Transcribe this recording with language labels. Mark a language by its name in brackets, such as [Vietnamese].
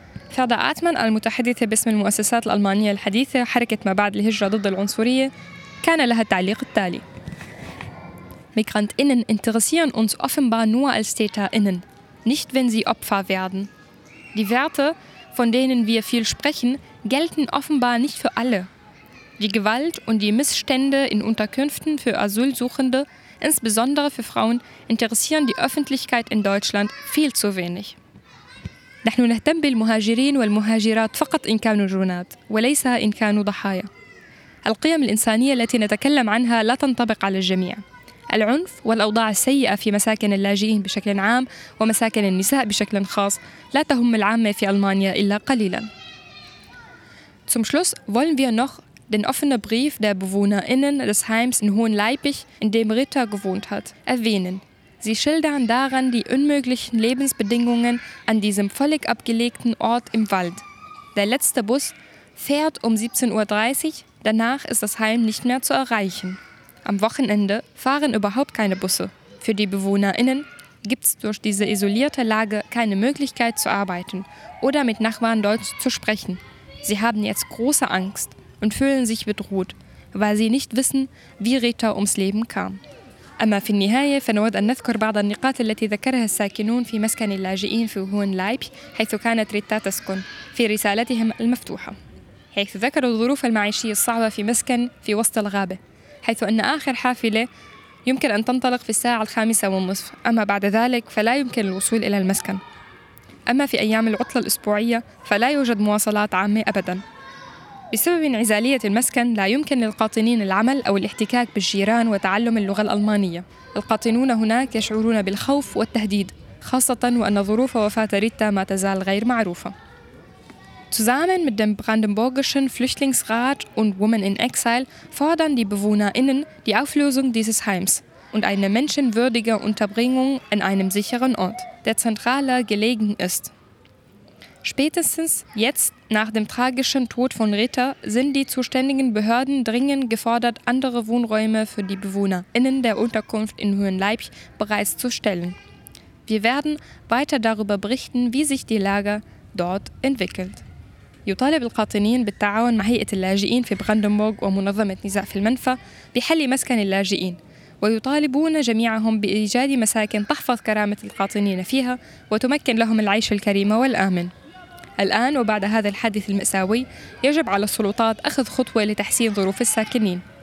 [Arabic] فادا آتمان المتحدثة باسم المؤسسات الألمانية الحديثة حركة ما بعد الهجرة ضد العنصرية كان لها التعليق التالي: [German] Migrantinnen interessieren uns offenbar nur als Täterinnen, nicht wenn sie Opfer werden. Die Werte, von denen wir viel sprechen, gelten offenbar nicht für alle. Die Gewalt und die Missstände in Unterkünften für Asylsuchende, insbesondere für Frauen, interessieren die Öffentlichkeit in Deutschland viel zu wenig. [Arabic] نحن نهتم بالمهاجرين والمهاجرات فقط إن كانوا جنات وليس إن كانوا ضحايا. القيم الإنسانية التي نتكلم عنها لا تنطبق على الجميع. العنف والأوضاع السيئة في مساكن اللاجئين بشكل عام ومساكن النساء بشكل خاص لا تهم العامة في ألمانيا إلا قليلا. [German] Zum Schluss wollen wir noch den offenen Brief der BewohnerInnen des Heims in Hohenleipich, in dem Rita gewohnt hat, erwähnen. Sie schildern daran die unmöglichen Lebensbedingungen an diesem völlig abgelegten Ort im Wald. Der letzte Bus fährt um 17.30 Uhr, danach ist das Heim nicht mehr zu erreichen. Am Wochenende fahren überhaupt keine Busse. Für die BewohnerInnen gibt es durch diese isolierte Lage keine Möglichkeit zu arbeiten oder mit Nachbarn Deutsch zu sprechen. Sie haben jetzt große Angst und fühlen sich bedroht, weil sie nicht wissen, wie Rita ums Leben kam. [Arabic] أما في النهاية فنود أن نذكر بعض النقاط التي ذكرها الساكنون في مسكن اللاجئين في هوهنلايب حيث كانت ريتا تسكن في رسالتهم المفتوحة، حيث ذكروا الظروف المعيشية الصعبة في مسكن في وسط الغابة، حيث أن آخر حافلة يمكن أن تنطلق في 5:30، أما بعد ذلك فلا يمكن الوصول إلى المسكن. أما في أيام العطلة الأسبوعية فلا يوجد مواصلات عامة أبداً. بسبب انعزالية المسكن لا يمكن للقاطنين العمل أو الاحتكاك بالجيران وتعلم اللغة الألمانية. القاطنون هناك يشعرون بالخوف والتهديد، خاصة وأن ظروف وفاة ريتا ما تزال غير معروفة. [German] Zusammen mit dem Brandenburgischen Flüchtlingsrat und Women in Exile fordern die BewohnerInnen die Auflösung dieses Heims und eine menschenwürdige Unterbringung in einem sicheren Ort, der zentraler gelegen ist. Spätestens jetzt, nach dem tragischen Tod von Rita, sind die zuständigen Behörden dringend gefordert, andere Wohnräume für die BewohnerInnen der Unterkunft in Hohenleib bereitzustellen. Wir werden weiter darüber berichten, wie sich die Lage dort entwickelt. [Arabic] يطالب القاطنين بالتعاون مع هيئة اللاجئين في براندنبورغ ومنظمة نزاع في المنفى بحل مسكن اللاجئين، ويطالبون جميعهم بإيجاد مساكن تحفظ كرامة القاطنين فيها وتمكن لهم العيش الكريم والآمن. الآن وبعد هذا الحادث المأساوي يجب على السلطات أخذ خطوة لتحسين ظروف الساكنين.